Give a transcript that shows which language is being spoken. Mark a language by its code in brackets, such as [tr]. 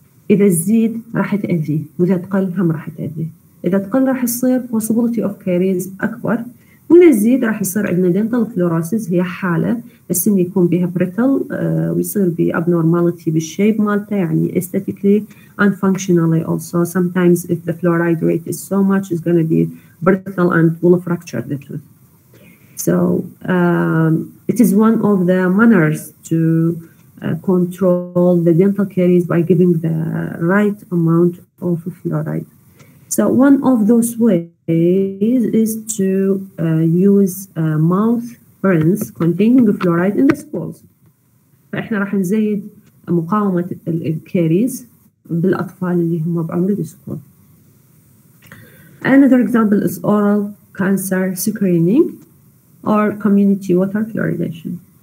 [ar] اذا تزيد راح تأذي, واذا تقل هم راح تأذي. اذا تقل راح يصير [en] possibility of caries [ar] اكبر, واذا تزيد راح يصير عندنا dental fluorosis, هي حالة بس إن يكون بها بريتل ويصير بـ abnormality بالشيب مالته, يعني [en] aesthetically and functionally also. Sometimes if the fluoride rate is so much, it's going to be brittle and will fracture the tooth. So it is one of the manners to control the dental caries by giving the right amount of fluoride. So one of those ways is to use mouth rinse containing fluoride in the schools. [ar] فإحنا راح نزيد مقاومة الكاريز بالأطفال اللي هم بعمر الدسكول. [en] Another example is oral cancer screening or community water fluoridation.